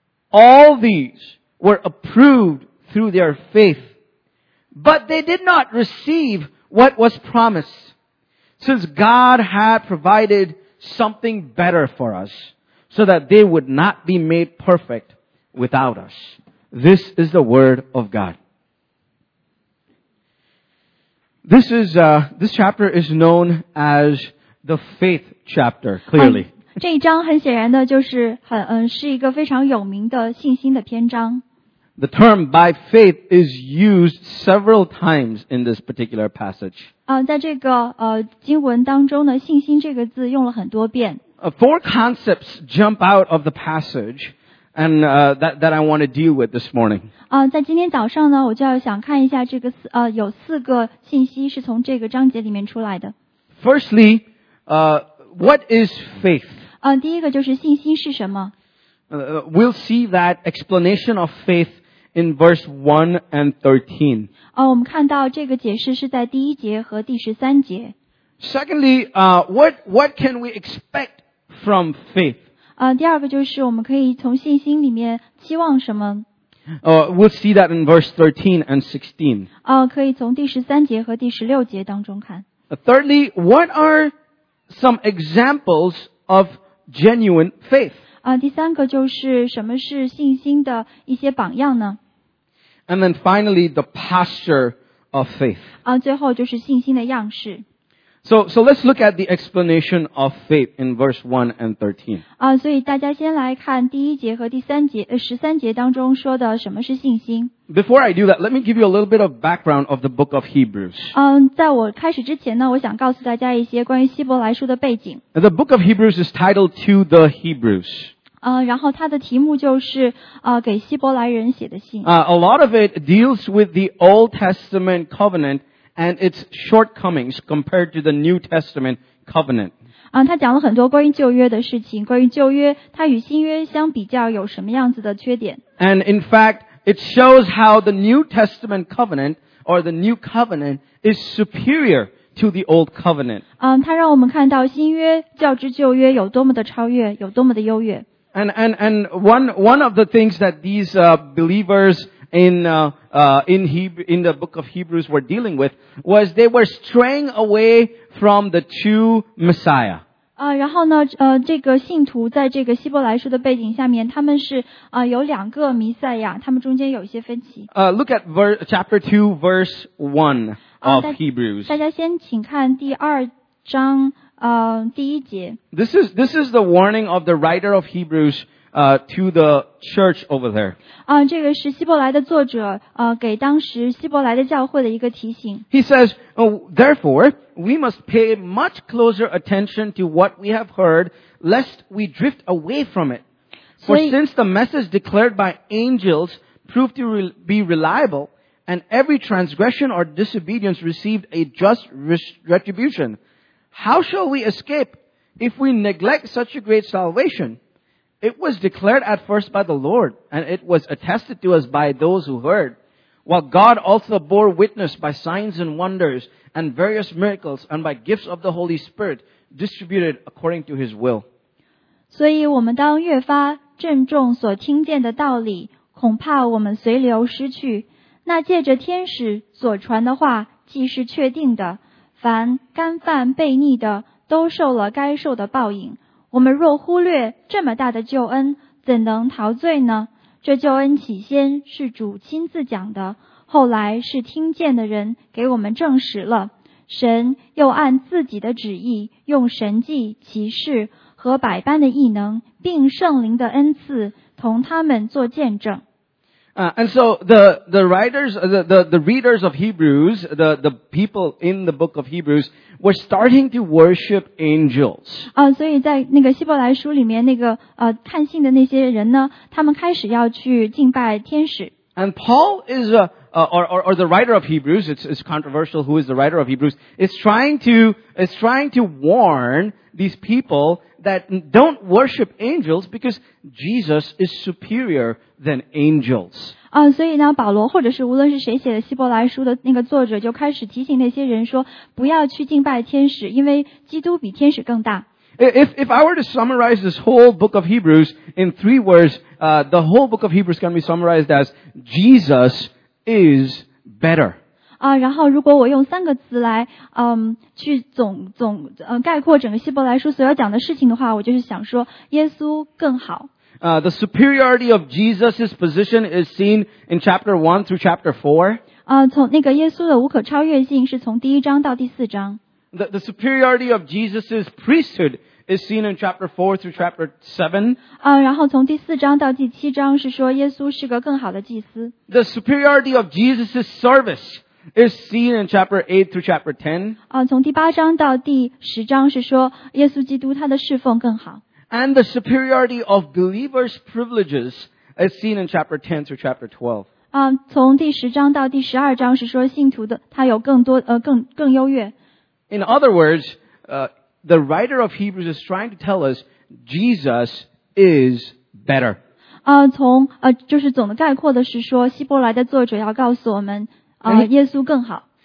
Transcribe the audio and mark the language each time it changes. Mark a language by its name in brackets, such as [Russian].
[English] All these were approved through their faith, but they did not receive what was promised, since God had provided something better for us, so that they would not be made perfect without us. This is the word of God. This chapter is known as the faith chapter, clearly. [Chinese] 这一章很显然的就是一个非常有名的信心的篇章。 [English] The term by faith is used several times in this particular passage. [Chinese] 在这个经文当中呢，信心这个字用了很多遍。 [English] Four concepts jump out of the passage and that I want to deal with this morning. [Chinese] 在今天早上呢，我就要想看一下这个有四个信息是从这个章节里面出来的。 [English] Firstly, what is faith? [Chinese] 第一个就是信心是什么? [English] We'll see that explanation of faith in verse 1 and 13. [Chinese] 我们看到这个解释是在第一节和第十三节。 [English] Secondly, what can we expect from faith. [Chinese] 第二个就是我们可以从信心里面期望什么。 [English] We'll see that in verse 13 and 16. [Chinese] 可以从第十三节和第十六节当中看。 [English] Thirdly, what are some examples of genuine faith? [Chinese] 第三个就是什么是信心的一些榜样呢？ [English] And then finally, the posture of faith. [Chinese] 最后就是信心的样式。 [English] So let's look at the explanation of faith in verse 1 and 13. [Chinese] 所以大家先来看第一节和第三节十三节当中说的什么是信心。 [English] Before I do that, let me give you a little bit of background of the book of Hebrews. [Chinese] 在我开始之前呢我想告诉大家一些关于希伯来书的背景。 [English] The book of Hebrews is titled To the Hebrews. [Chinese] 然后它的题目就是给希伯来人写的信。 [English] A lot of it deals with the Old Testament covenant. And its shortcomings compared to the New Testament covenant. [Chinese] 他讲了很多关于旧约的事情，关于旧约，它与新约相比较有什么样子的缺点。 [English] And in fact, it shows how the New Testament covenant or the New Covenant is superior to the Old Covenant. [Chinese] 它让我们看到新约较之旧约有多么的超越，有多么的优越。 [English] And one of the things that these believers in the book of Hebrews were dealing with was they were straying away from the true Messiah. [Chinese] 然后呢这个信徒在这个希伯来书的背景下面他们是有两个弥赛亚他们中间有一些分歧。 [English] Look at chapter 2 verse 1 of Hebrews. [Chinese] 大家先请看第二章第一节。 [English] This is the warning of the writer of Hebrews,to the church over there. [Chinese] 这个是希伯来的作者给当时希伯来的教会的一个提醒。 [English] He says, therefore, we must pay much closer attention to what we have heard, lest we drift away from it. For since the message declared by angels proved to be reliable, and every transgression or disobedience received a just retribution, how shall we escape if we neglect such a great salvation? It was declared at first by the Lord, and it was attested to us by those who heard, while God also bore witness by signs and wonders and various miracles and by gifts of the Holy Spirit distributed according to His will. [Chinese] 所以我们当越发郑重所听见的道理，恐怕我们随流失去。那借着天使所传的话，既是确定的，凡干犯悖逆的，都受了该受的报应。我们若忽略这么大的救恩，怎能陶醉呢？这救恩起先是主亲自讲的，后来是听见的人给我们证实了。神又按自己的旨意，用神迹、奇事和百般的异能，并圣灵的恩赐，同他们做见证。 [English] And so the writers, the readers of Hebrews, the people in the book of Hebrews were starting to worship angels. [Chinese] 所以在那个希伯来书里面那个看信的那些人呢他们开始要去敬拜天使。 [English] And Paul is, or the writer of Hebrews, it's controversial who is the writer of Hebrews, is trying to warn these people that don't worship angels because Jesus is superior than angels. [Chinese] 所以呢保罗或者是无论是谁写的希伯来书的那个作者就开始提醒那些人说不要去敬拜天使因为基督比天使更大。 [English] If I were to summarize this whole book of Hebrews in three words, the whole book of Hebrews can be summarized as Jesus is better. [Chinese] 然后如果我用三个字来去概括整个希伯来书所要讲的事情的话我就是想说耶稣更好。 [English] The superiority of Jesus' position is seen in chapter 1 through chapter 4. [Chinese] 从那个耶稣的无可超越性是从第一章到第四章。 [English] The superiority of Jesus' priesthood is seen in chapter 4 through chapter 7. [Chinese] 然后从第四章到第七章是说耶稣是个更好的祭司。 [English] The superiority of Jesus' service is seen in chapter 8 through chapter 10. [Chinese] 从第八章到第十章是说耶稣基督他的侍奉更好。 [English] And the superiority of believers' privileges is seen in chapter 10 through chapter 12. [Chinese] 从第十章到第十二章是说信徒的他有更多更优越。 [English] In other words, the writer of Hebrews is trying to tell us Jesus is better. [Chinese] 从就是总的概括的是说希伯来的作者要告诉我们耶稣更好。